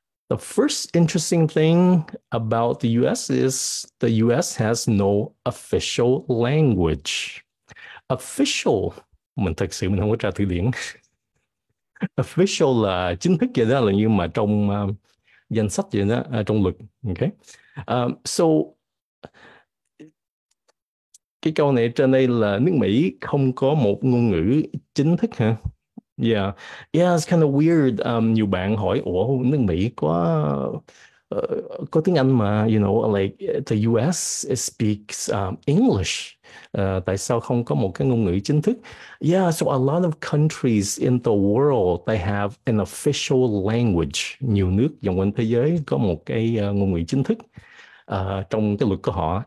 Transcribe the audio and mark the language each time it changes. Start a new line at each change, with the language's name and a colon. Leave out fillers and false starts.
English: The first interesting thing about the US is the US has no official language.
Vietnamese: Official, mình thật sự mình không có tra từ điển. Official là chính thức vậy đó, là như mà trong danh sách vậy đó, trong luật. Okay. Cái câu này trên đây là nước Mỹ không có một ngôn ngữ chính thức hả?
English: It's kind of weird.
Vietnamese: Nhiều bạn hỏi, ủa nước Mỹ có tiếng Anh mà,
English: like the US speaks English.
Vietnamese: Tại sao không có một cái ngôn ngữ chính thức?
English: So a lot of countries in the world, they have an official language.
Vietnamese: Nhiều nước vòng quanh thế giới có một cái ngôn ngữ chính thức trong cái luật của họ.